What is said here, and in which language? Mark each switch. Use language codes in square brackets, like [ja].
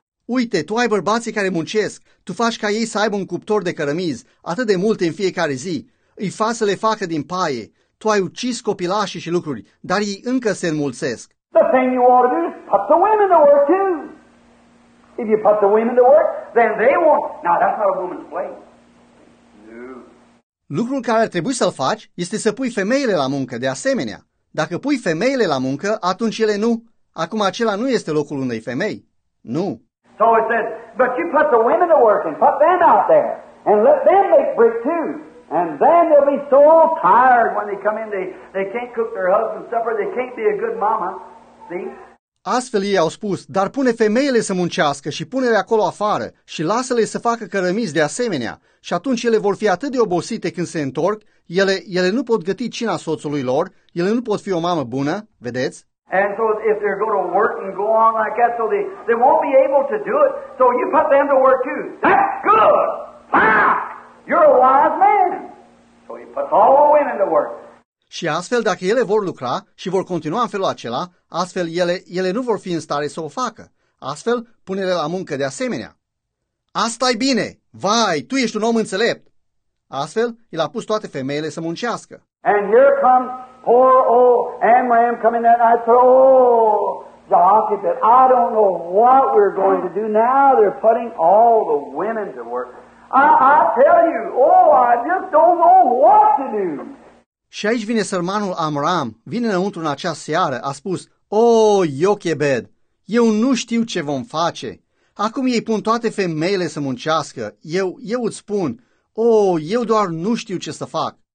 [ro] Uite, tu ai bărbații care muncesc. Tu faci ca ei să aibă un cuptor de cărămizi, atât de multe în fiecare zi. Îi faci să le facă din paie. Tu ai ucis copilașii și lucruri, dar ei încă se înmulțesc. [en] The thing you ought to do is put the women to work too. If you put the women to work, then they won't. Now, that's not a woman's place. No. [ro] Lucrul care ar trebui să-l faci este să pui femeile la muncă de asemenea. Dacă pui femeile la muncă, atunci ele nu. Acum acela nu este locul unei femei. Nu. [en] So it says, but you put the women to work and put them out there and let them make brick too. And then they'll be so tired when they come in, they can't cook their husband's supper, they can't be a good mama. See? [ro] Astfel ei au spus, dar pune femeile să muncească și pune-le acolo afară și lasă-le să facă cărămizi de asemenea și atunci ele vor fi atât de obosite când se întorc, ele nu pot găti cina soțului lor, ele nu pot fi o mamă bună, vedeți? [en] And so if they're going to work and go on like that, so they won't be able to do it, so you put them to work too. That's good! Ah! You're a wise man! So he puts all the women to work. [ro] Și astfel, dacă ele vor lucra și vor continua în felul acela, astfel ele nu vor fi în stare să o facă. Astfel, pune-le la muncă de asemenea. Asta-i bine! Vai, tu ești un om înțelept! Astfel, el a pus toate femeile să muncească. [en] And here comes poor old Amram coming that night. Jehoshaphat, I don't know what we're going to do now. They're putting all the women to work. I tell you, I just don't know what to do. [ro] Și aici vine sărmanul Amram, vine înăuntru în acea seară, a spus, Iochebed, eu nu știu ce vom face. Acum ei pun toate femeile să muncească, eu îți spun, eu doar nu știu ce să fac.